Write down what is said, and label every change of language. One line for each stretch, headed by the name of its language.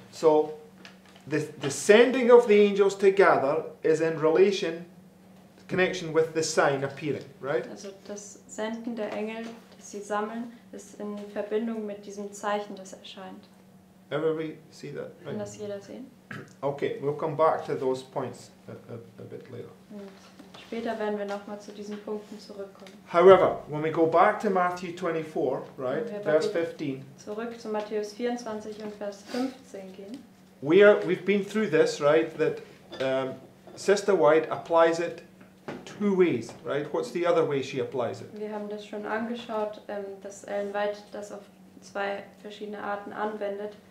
English: So the sending of the angels to gather is in relation, connection with the sign appearing, right?
German: Also das Senden der Engel, das sie sammeln, ist in Verbindung mit diesem Zeichen, das erscheint.
English: Everybody see that? Right?
German: Kann das jeder sehen?
English: Okay, we'll come back to those points a bit later.
German: Und später werden wir nochmal zu diesen Punkten zurückkommen.
English: However, when we go back to Matthew 24, right, verse 15.
German: Zurück zu Matthäus 24 und Vers 15 gehen.
English: We've been through this, right, that Sister White applies it two ways, right? What's the other way she applies it?
German: Wir haben das schon angeschaut, dass Ellen White das auf zwei verschiedene Arten anwendet.